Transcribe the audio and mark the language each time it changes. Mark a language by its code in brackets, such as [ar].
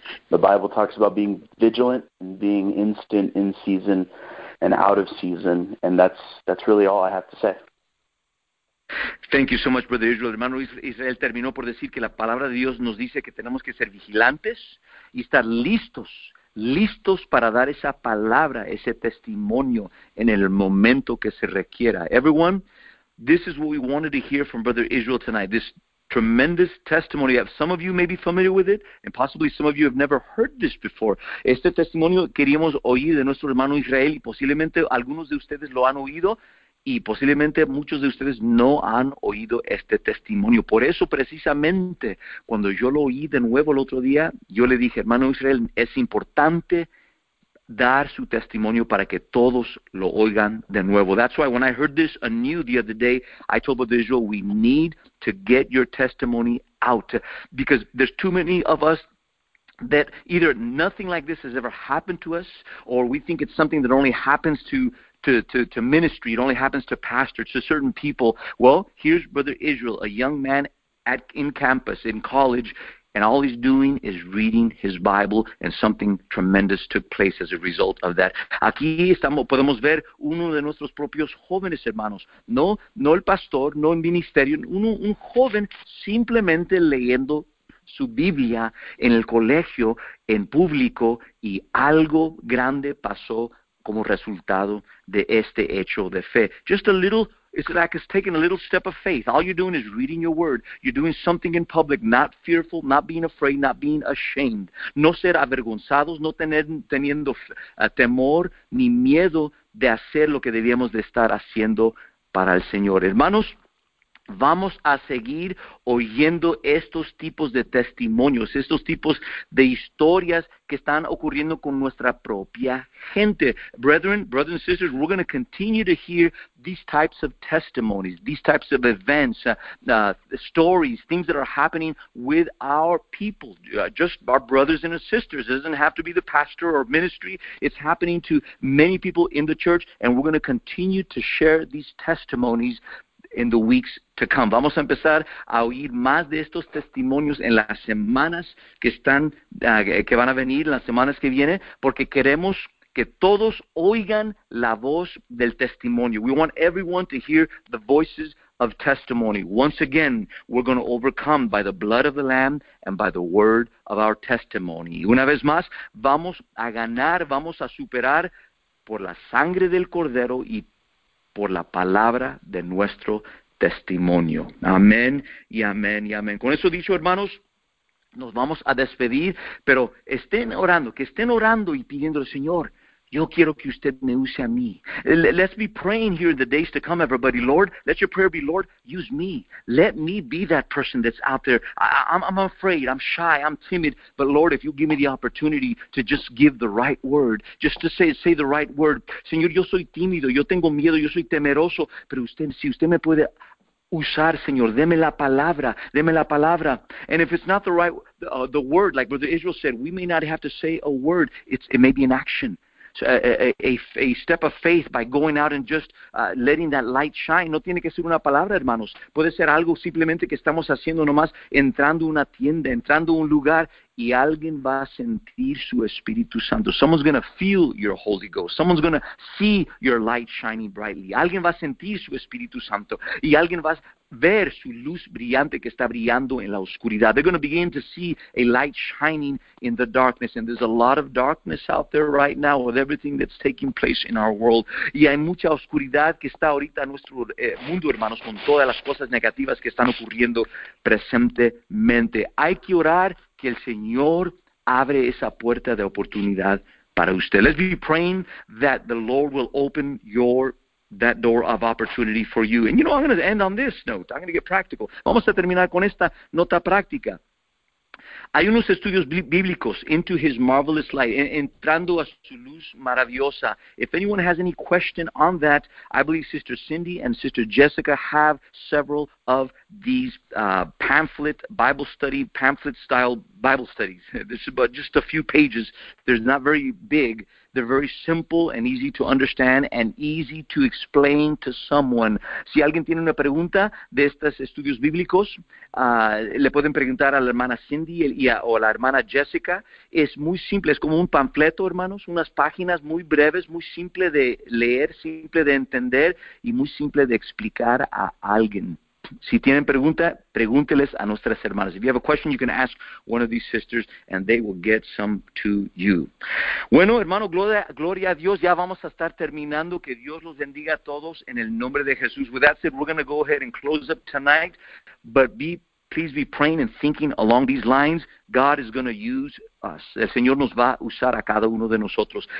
[en] The Bible talks about being vigilant and being instant in season and out of season, and that's really all I have to say. Thank you so much, Brother Israel. [es] Hermano Israel terminó por decir que la palabra de Dios nos dice que tenemos que ser vigilantes y estar listos, listos para dar esa palabra, ese testimonio en el momento que se requiera. [en] Everyone, this is what we wanted to hear from Brother Israel tonight, this tremendous testimony. Some of you may be familiar with it, and possibly some of you have never heard this before. [es] Este testimonio queríamos oír de nuestro hermano Israel, y posiblemente algunos de ustedes lo han oído, y posiblemente muchos de ustedes no han oído este testimonio. Por eso, precisamente, cuando yo lo oí de nuevo el otro día, yo le dije, hermano Israel, es importante dar su testimonio para que todos lo oigan de nuevo. [en] That's why when I heard this anew the other day, I told Brother Israel, we need to get your testimony out. Because there's too many of us that either nothing like this has ever happened to us, or we think it's something that only happens to ministry, it only happens to pastors, to certain people. Well, here's Brother Israel, a young man in campus, in college, and all he's doing is reading his Bible, and something tremendous took place as a result of that. [es] Aquí estamos, podemos ver uno de nuestros propios jóvenes hermanos. No, no el pastor, no el ministerio, un joven simplemente leyendo su Biblia en el colegio, en público, y algo grande pasó como resultado de este hecho de fe. [en] Just a little. It's like it's taking a little step of faith. All you're doing is reading your word. You're doing something in public, not fearful, not being afraid, not being ashamed. [es] No ser avergonzados, no teniendo temor ni miedo de hacer lo que debíamos de estar haciendo para el Señor. Hermanos, vamos a seguir oyendo estos tipos de testimonios, estos tipos de historias que están ocurriendo con nuestra propia gente. [en] Brethren, brothers and sisters, we're going to continue to hear these types of testimonies, these types of events, stories, things that are happening with our people, just our brothers and sisters. It doesn't have to be the pastor or ministry. It's happening to many people in the church, and we're going to continue to share these testimonies in the weeks to come. [es] Vamos a empezar a oír más de estos testimonios en las semanas que están, que van a venir, las semanas que vienen, porque queremos que todos oigan la voz del testimonio. [en] We want everyone to hear the voices of testimony. Once again, we're going to overcome by the blood of the Lamb and by the word of our testimony. [es] Una vez más, vamos a ganar, vamos a superar por la sangre del Cordero y por la palabra de nuestro testimonio. Amén y amén y amén. Con eso dicho, hermanos, nos vamos a despedir, pero estén orando y pidiendo al Señor, yo quiero que usted me use a mí. [en] Let's be praying here in the days to come, everybody. Lord, let your prayer be, Lord, use me. Let me be that person that's out there. I'm afraid, I'm shy, I'm timid. But Lord, if you give me the opportunity to just give the right word, just to say the right word. [es] Señor, yo soy tímido, yo tengo miedo, yo soy temeroso. Pero usted, si usted me puede usar, Señor, deme la palabra, deme la palabra. [en] And if it's not the right the word, like Brother Israel said, we may not have to say a word. It may be an action. A step of faith by going out and just letting that light shine. [es] No tiene que ser una palabra, hermanos. Puede ser algo simplemente que estamos haciendo nomás, entrando a una tienda, entrando a un lugar, y alguien va a sentir su Espíritu Santo. [en] Someone's going to feel your Holy Ghost. Someone's going to see your light shining brightly. [es] Alguien va a sentir su Espíritu Santo. Y alguien va a ver su luz brillante que está brillando en la oscuridad. [en] They're going to begin to see a light shining in the darkness. And there's a lot of darkness out there right now with everything that's taking place in our world. [es] Y hay mucha oscuridad que está ahorita en nuestro mundo, hermanos, con todas las cosas negativas que están ocurriendo presentemente. Hay que orar que el Señor abre esa puerta de oportunidad para usted. [en] Let's be praying that the Lord will open that door of opportunity for you. And you know, I'm going to end on this note. I'm going to get practical. [es] Vamos a terminar con esta nota práctica. Hay unos estudios bíblicos, Into His Marvelous Light, Entrando a Su Luz Maravillosa. [en] If anyone has any question on that, I believe Sister Cindy and Sister Jessica have several of these pamphlet, Bible study, pamphlet-style Bible studies. This is about just a few pages. They're not very big. They're very simple and easy to understand and easy to explain to someone. [es] Si alguien tiene una pregunta de estos estudios bíblicos, le pueden preguntar a la hermana Cindy o a la hermana Jessica. Es muy simple, es como un panfleto, hermanos, unas páginas muy breves, muy simple de leer, simple de entender y muy simple de explicar a alguien. Si tienen pregunta, pregúnteles a nuestras hermanas. [en] If you have a question, you can ask one of these sisters, and they will get some to you. [es] Bueno, hermano, gloria a Dios. Ya vamos a estar terminando. Que Dios los bendiga a todos en el nombre de Jesús. [en] With that said, we're going to go ahead and close up tonight. But please be praying and thinking along these lines. God is going to use us. [es] El Señor nos va a usar a cada uno de nosotros.